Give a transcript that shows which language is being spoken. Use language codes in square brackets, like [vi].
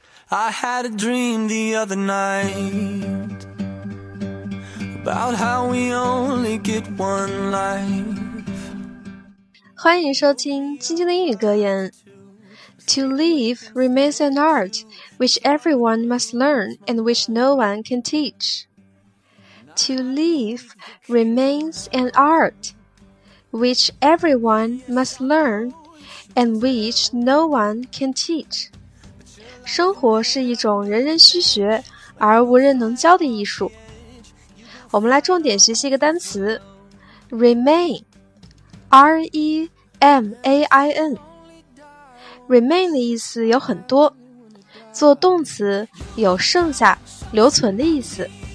[en] I had a dream the other night about how we only get one life. [zh] 欢迎收听今天的英语格言。 [en] To live remains an art which everyone must learn and which no one can teach. To live remains an art which everyone must learn and which no one can teach. [zh] 生活是一种人人需学而无人能教的艺术。我们来重点学习一个单词 ,remain, R-E-M-A-I-N。 Remain 的意思有很多，做动词有剩下、留存的意思。